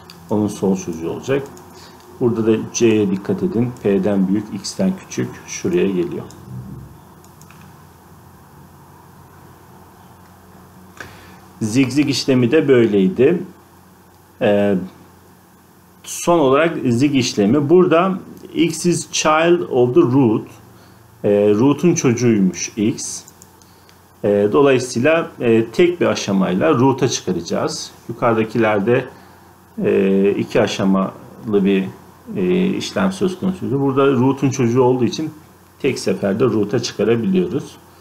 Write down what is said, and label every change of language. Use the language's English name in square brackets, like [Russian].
[Turkish] Onun sol çocuğu olacak. Burada da C'ye dikkat edin. P'den büyük, X'ten küçük şuraya geliyor. Zigzag işlemi de böyleydi. Son olarak zig işlemi. Burada [English] X is child of the root. [Turkish] Root'un çocuğuymuş X. Dolayısıyla tek bir aşamayla root'a çıkaracağız. Yukarıdakilerde iki aşamalı bir işlem söz konusuydu. Burada root'un çocuğu olduğu için tek seferde root'a çıkarabiliyoruz.